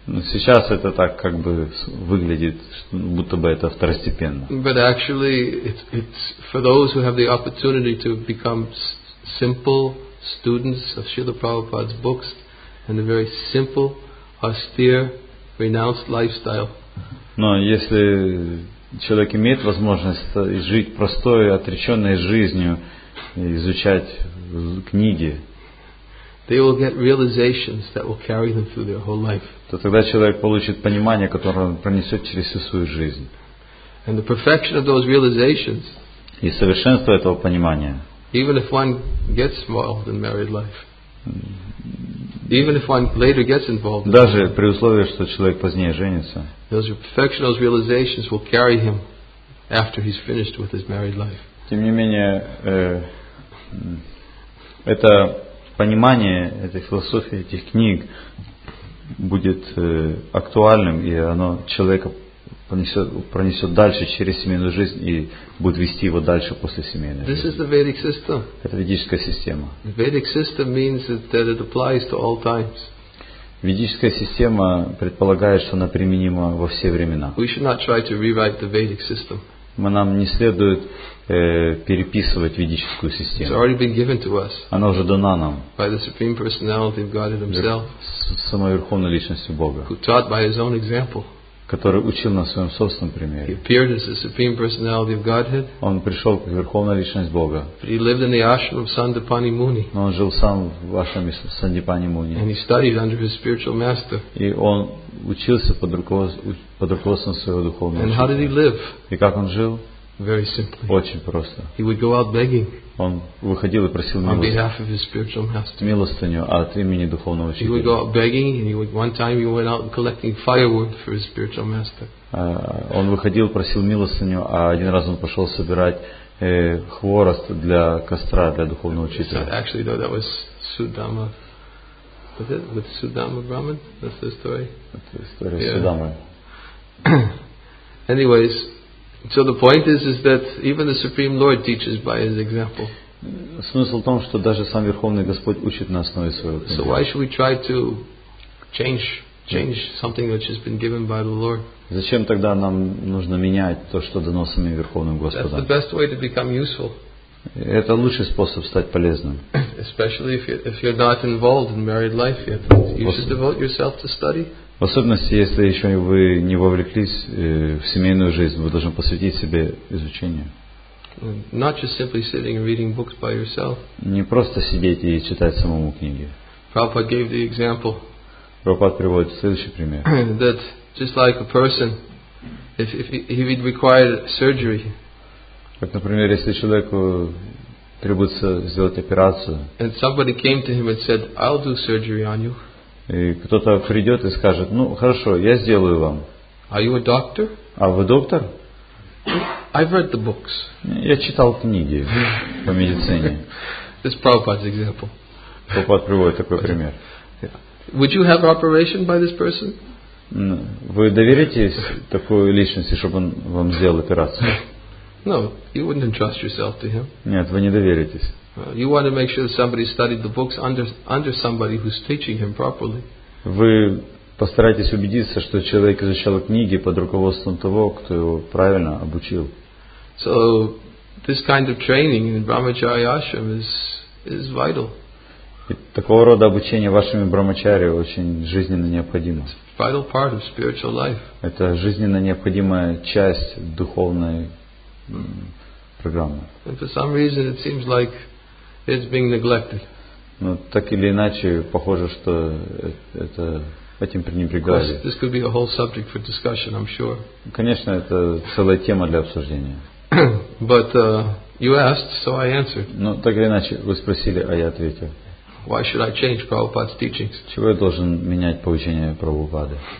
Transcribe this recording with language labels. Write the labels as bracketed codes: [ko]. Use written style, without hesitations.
[ru] Сейчас это так как бы выглядит, будто бы это второстепенно. [en] But actually, it's for those who have the opportunity to become simple students of Srila Prabhupada's books and a very simple, austere, renounced lifestyle. [ru] Но если человек имеет возможность жить простой, отреченной жизнью, изучать книги, [en] they will get realizations that will carry them through their whole life. [ru] То тогда человек получит понимание, которое он пронесет через всю свою жизнь. [en] And the perfection of those realizations, [ru] и совершенство этого понимания, [en] even if one gets involved in married life, even if one later gets involved, [ru] даже при условии, что человек позднее женится, [en] those perfection, those realizations will carry him after he's finished with his married life. [ru] Тем не менее, это понимание этой философии, этих книг будет актуальным, и оно человека пронесет дальше через семейную жизнь и будет вести его дальше после семейной [en] This [ru] жизни. [en] Is the Vedic system. [ru] Это ведическая система. [en] The Vedic system means that it applies to all times. [ru] Ведическая система предполагает, что она применима во все времена. [en] We should not try to rewrite the Vedic system. [ru] Мы нам не следует переписывать ведическую систему. [en] It's already been given to us. [ru] Она уже дана нам. [en] By the Supreme Personality of God Himself. [ru] Самой верховной личностью Бога. [en] Who taught by His own example. [ru] который учил на своем собственном примере. [en] He appeared as the supreme personality of Godhead. [ru] Он пришел как верховная личность Бога. [en] He lived in the ashram of Sandipani Muni. [ru] Но он жил сам в ашраме Сандипани Муни. [en] And he studied under his spiritual master. [ru] И он учился под руководством своего духовного учителя. [en] And how did he live? [ru] И как он жил? [en] Very simply. [ru] Очень просто. [en] He would go out begging. [ru] Он выходил и просил милостыню от имени духовного учителя. [en] He would go out begging, and one time he went out collecting firewood for his spiritual master. [ru] Он выходил, просил милостыню, а один раз он пошел собирать хворост для костра для духовного учителя. [en] Actually, though, that was Sudama. Was it with Sudama Brahman? That's the story. Sudama. Anyways. So the point is that even the Supreme Lord teaches by His example. [ru] Смысл в том, что даже сам Верховный Господь учит на основе своего примера. [en] So why should we try to change something which has been given by the Lord? [ru] Зачем тогда нам нужно менять то, что дано самим Верховным Господом? [en] That's the best way to become useful. [ru] Это лучший способ стать полезным. [en] Especially if you're not involved in married life yet, you should devote yourself to study. [ru] В особенности, если еще вы не вовлеклись в семейную жизнь, вы должны посвятить себе изучению. [en] Not just simply sitting and reading books by yourself. [ru] Не просто сидеть и читать самому книги. [en] Prabhupada gave the example. [ru] Прабхупада приводит следующий пример. [en] That just like a person, if he would require surgery. [ru] Как, например, если человеку требуется сделать операцию. [en] And somebody came to him and said, "I'll do surgery on you." [ru] И кто-то придет и скажет, ну хорошо, я сделаю вам. [en] Are you a doctor? [ru] А вы доктор? [en] I've read the books. [ru] Я читал книги по медицине. [en] This is Prabhupada's example. [ru] Прабхупад приводит такой пример. [en] Would you have operation by this person? [ru] Вы доверитесь такой личности, чтобы он вам сделал операцию? [en] No, you wouldn't entrust yourself to him. [ru] Нет, вы не доверитесь. [en] You want to make sure that somebody studied the books under somebody who's teaching him properly. [ru] Вы постарайтесь убедиться, что человек изучал книги под руководством того, кто его правильно обучил. [en] So this kind of training in Brahmachari Ashram is vital. [ru] И такого рода обучение вашими брахмачари очень жизненно необходимо. [en] It's a vital part of spiritual life. [ru] Это жизненно необходимая часть духовной программы. [en] And for some reason, it seems like it's being neglected. [ru] Ну, так или иначе, похоже, что это этим пренебрегали. [en] Of course, this could be a whole subject for discussion, I'm sure. [ru] Конечно, это целая тема для обсуждения. [en] But you asked, so I answered. [ru] Ну, так или иначе, вы спросили, а я ответил. [en] Why should I change Prabhupada's teachings? [ru] Чего я должен менять поучение Прабхупады?